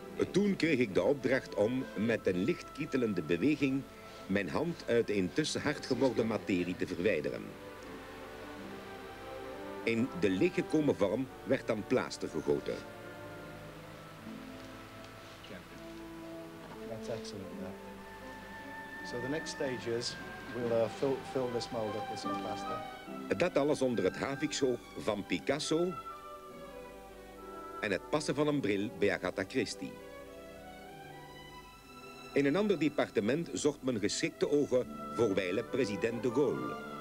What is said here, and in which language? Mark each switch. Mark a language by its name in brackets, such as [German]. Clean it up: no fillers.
[Dutch] Toen kreeg ik de opdracht om met een licht kietelende beweging mijn hand uit de intussen hard geworden materie te verwijderen. In de lichtgekomen vorm werd dan plaaster gegoten. [English] Excellent. So the next stage is we'll fill this mold up with some plaster. [Dutch] Dat alles onder het haviksoog van Picasso en het passen van een bril bij Agatha Christie. In een ander departement zocht men geschikte ogen voor wijlen president de Gaulle.